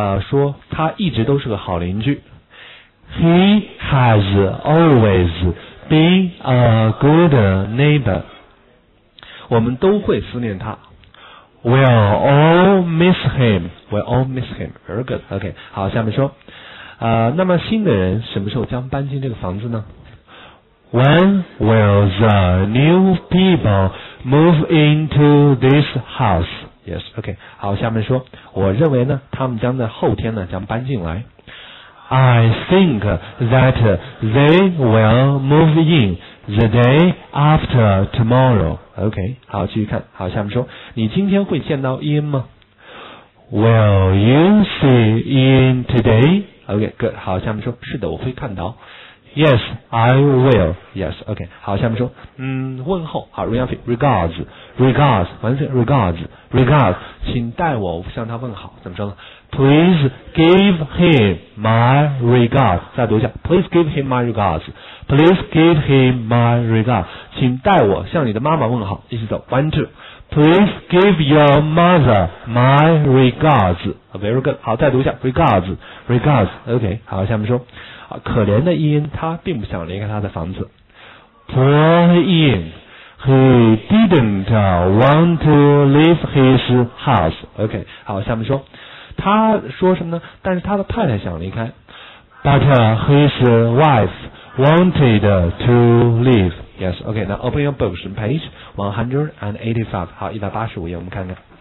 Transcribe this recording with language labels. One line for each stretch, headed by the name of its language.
Chinese: 说他一直都是个好邻居。
English: He has always been a good neighbor.
Chinese: 我们都会思念他。
English: We'll all miss him. Very good.
Chinese: OK, 好，下面说。那么新的人什么时候将搬进这个房子呢？
English: When will the new people move into this house? Yes, OK.
Chinese: 好，下面说，我认为呢，他们将在后天呢，将搬进来。
English: I think that they will move in the day after tomorrow.
Chinese: OK, 好，继续看。好，下面说，你今天会见到 Ian 吗？
English: Will you see Ian today? OK, good.
Chinese: 好，下面说，是的，我会看到。
English: Yes, I will. Yes, OK.
Chinese: 好，下面说，问候，好 ，regards, 请代我向他问好，怎么说呢
English: ？Please give him my regards.
Chinese: 再读一下
English: ，Please give him my regards. Please give him my regards.
Chinese: 请代我向你的妈妈问好，一起走 ，
English: one two. Please give your mother my regards. Very good.
Chinese: 好，再读一下 ，regards. OK. 好，下面说。可怜的伊恩，他并不想离开他的房子。
English: Poor Ian, he didn't want to leave his house.
Chinese: OK, 好，下面说，他说什么呢？但是他的太太想离开。
English: But his wife wanted to leave. Yes, OK, now open your books, page 185.
Chinese: 好，185页，我们看看。